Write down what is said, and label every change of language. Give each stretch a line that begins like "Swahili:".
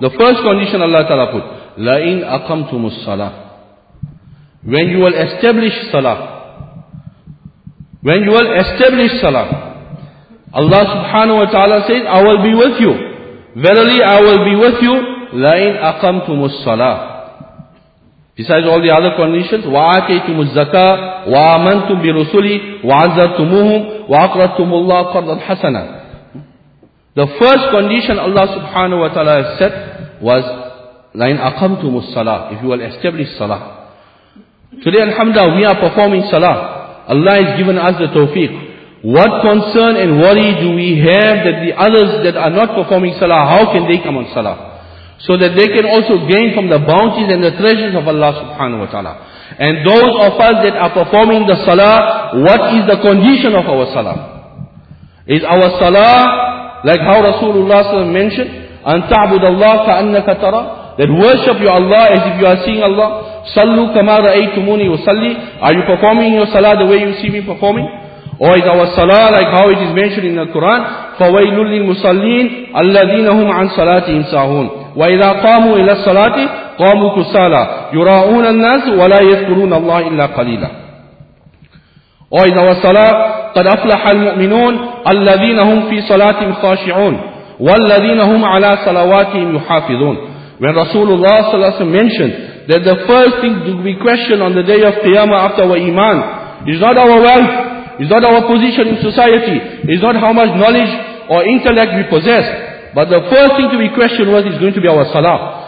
English: The first condition Allah ta'ala put,
Arabic: لَإِنْ أَقَمْتُمُ الصَّلَاةِ.
English: When you will establish salah, when you will establish salah, Allah subhanahu wa ta'ala said, I will be with you. Verily, I will be with you.
Arabic: لَإِنْ أَقَمْتُمُ الصَّلَاةِ.
English: Besides all the other conditions,
Arabic: وَآتَيْتُمُ الزَّكَاةِ وَآمَنْتُمْ بِرُسُلِي وَعَزَّرْتُمُوهُمْ وَأَقْرَضْتُمُ اللَّهَ قَرْضًا حَسَنًا.
English: The first condition Allah subhanahu wa ta'ala has said was,
Arabic: لَإِنْ أَقَمْتُمُ الصَّلَاةِ.
English: If you will establish salah. Today, alhamdulillah, we are performing salah. Allah has given us the tawfiq. What concern and worry do we have that the others that are not performing salah, how can they come on salah? So that they can also gain from the bounties and the treasures of Allah subhanahu wa ta'ala. And those of us that are performing the salah, what is the condition of our salah? Is our salah, like how Rasulullah s.a.w.
Arabic: mentioned, أَن تَعْبُدَ اللَّهَ كَأَنَّكَ تَرَى.
English: That worship your Allah as if you are seeing Allah.
Arabic: صَلُّ كَمَا رَأَيْتُمُونِي وَصَلِّي.
English: Are you performing your salah the way you see me performing? Or is our salah like how it is mentioned in the Quran?
Arabic: فَوَيْلٌ لِلْمُصَلِّينَ الَّذِينَ هُمْ عَنْ صَلَاتِهِمْ سَاهُونَ. وَإِذَا قَامُوا إِلَى الصَّلَاةِ قَامُوا كُسَالَى يُرَاءُونَ النَّاسَ وَلَا يَذْكُرُونَ اللَّهَ إِلَّا قَلِيلًا.
English: Or is our salah
Arabic: قَدْ أَفْلَحَ الْمُؤْمِنُونَ الَّذِينَ هُمْ فِي صَلَاتِهِمْ خَاشِعُونَ وَالَّذِينَ هُمْ عَلَى صَلَوَاتِهِمْ يُحَافِظُونَ.
English: When Rasulullah صلى الله عليه وسلم mentioned that the first thing to be questioned on the day of Qiyamah after our iman is not our wealth, is not our position in society, is not how much knowledge or intellect we possess, but the first thing to be questioned was is going to be our salah.